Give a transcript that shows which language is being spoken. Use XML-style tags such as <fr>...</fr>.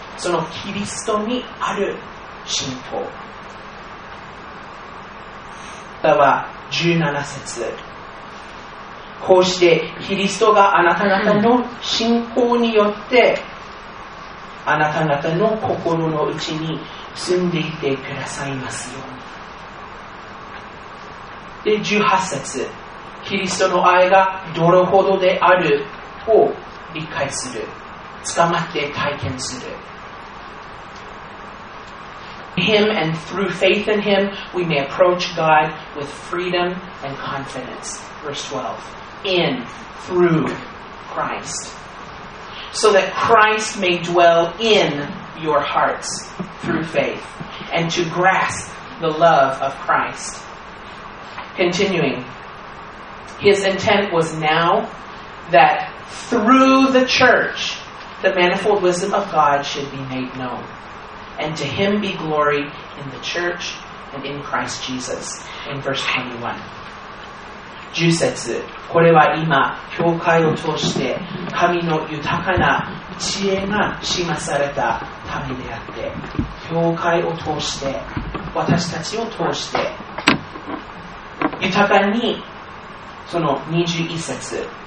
<ja>そのキリストにある信仰では17節、こうしてキリストがあなた方の信仰によってあなた方の心の内に住んでいてくださいますように。で18節、キリストの愛がどれほどであるを理解する、捕まって体験する。</ja> <en>Him and through faith in Him we may approach God with freedom and confidence. Verse 12, in through Christ so that Christ may dwell in your hearts through faith and to grasp the love of Christ. Continuing, His intent was now thatthrough the church, the manifold wisdom of God should be made known. And to him be glory in the church and in Christ Jesus. In verse 21.</en> <ja>10節、これは今、教会を通して神の豊かな知恵が示されたためであって、教会を通して、私たちを通して、豊かに、その21節、</ja>